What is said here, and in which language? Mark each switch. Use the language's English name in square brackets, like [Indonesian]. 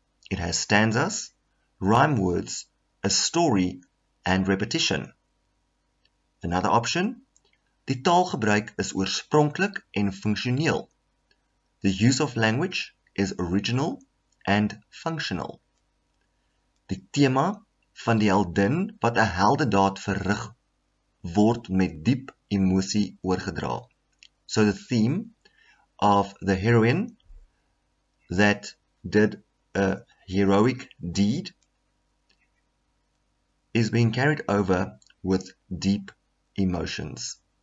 [English] It has stanzas, rhyme words, a story, and repetition. Another option. [Afrikaans] Die taalgebruik is oorspronklik en funksioneel. [English] The use of language is original and functional. [Afrikaans] Die tema van die heldin wat 'n heldedaad verrig word met diep emosie oorgedra. [English] So the theme of the heroine that did a heroic deed is being carried over with deep emotions.